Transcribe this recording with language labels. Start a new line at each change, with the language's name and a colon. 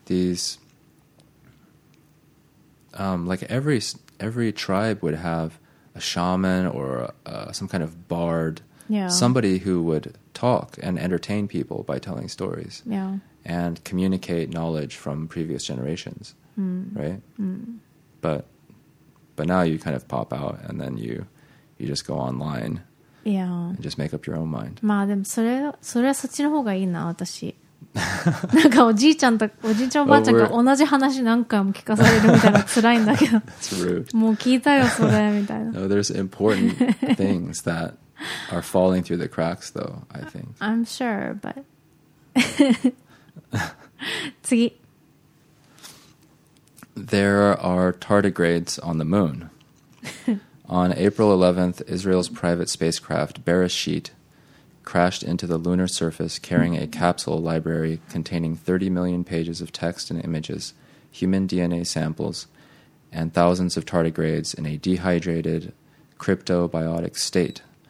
English: these, like every tribe would have a shaman or some kind of bard, somebody who would talk and entertain people by telling stories and communicate knowledge from previous generations, right? But now you kind of pop out and then you just go online. Yeah. And just make up your own mind.
Japanese: まあでもそれはそっちの方がいいな私。なんかおじいちゃんとおじいちゃんおばあちゃんが同じ話何回も聞かされるみたいな辛いんだけど。
English: It's rude.
Japanese: もう聞いたよそれみたいな。
English: No, there's important things that are falling through the cracks though, I think. I'm sure, but
Japanese: 次。
English: There are tardigrades on the moon. On April 11th, Israel's private spacecraft Bereshit crashed into the lunar surface carrying a capsule library containing 30 million pages of text and images, human DNA samples, and thousands of tardigrades in a dehydrated, cryptobiotic state.